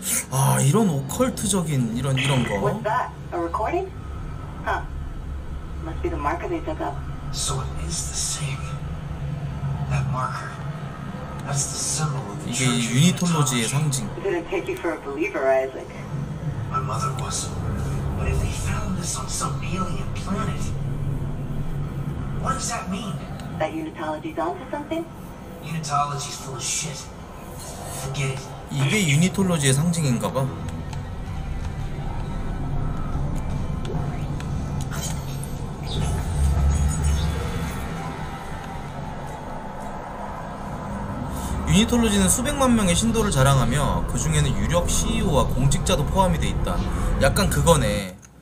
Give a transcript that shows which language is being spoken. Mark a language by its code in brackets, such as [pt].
[ko] 아, 이런 오컬트적인 이런 거. [en] What's that? A recording? Huh. Must be the marker they took up. So it is the same. That marker. That's the symbol of the church. [ko] 이게 유니톨로지의 상징. [en] It didn't take you for a believer, Isaac. My mother was. But if they found this on some alien planet, what does that mean? That unitology's onto something? Unitology's full of shit. Forget it. [ko] 이게 유니톨로지의 상징인가 봐. 유니톨로지는 수백만 명의 신도를 자랑하며 그 중에는 유력 CEO와 공직자도 포함이 돼 있다. 약간 그거네.